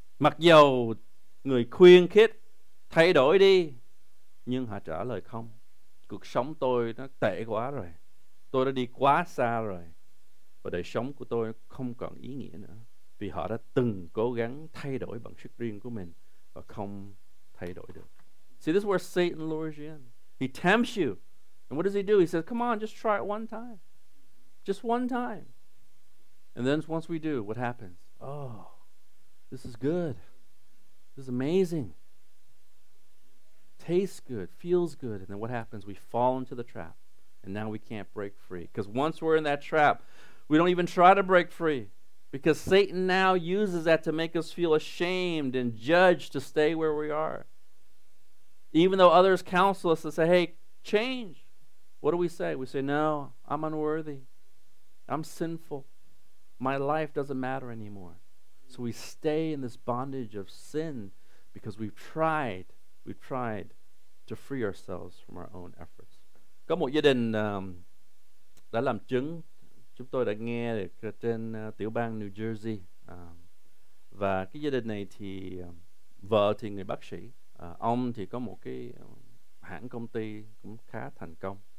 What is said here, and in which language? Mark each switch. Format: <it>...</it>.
<vi>Mặc dầu người khuyên khích thay đổi đi, nhưng họ trả lời không. Cuộc sống tôi nó tệ quá rồi, tôi đã đi quá xa rồi, và đời sống của tôi không còn ý nghĩa nữa, vì họ đã từng cố gắng thay đổi bằng sức riêng của mình và không thay đổi được.</vi> <en>See, this is where Satan lures you in. He tempts you. And what does he do? He says, come on, just try it one time. Just one time. And then once we do, what happens? Oh, this is good. This is amazing. Tastes good, feels good. And then what happens? We fall into the trap. And now we can't break free. Because once we're in that trap, we don't even try to break free. Because Satan now uses that to make us feel ashamed and judged to stay where we are. Even though others counsel us to say, hey, change. What do we say? We say, no, I'm unworthy. I'm sinful. My life doesn't matter anymore. So we stay in this bondage of sin because we've tried to free ourselves from our own efforts.</en> <vi>Có một gia đình đã làm chứng. Chúng tôi đã nghe được trên tiểu bang New Jersey. Và cái gia đình này thì vợ thì người bác sĩ. Ông thì có một cái hãng công ty cũng khá thành công.</vi>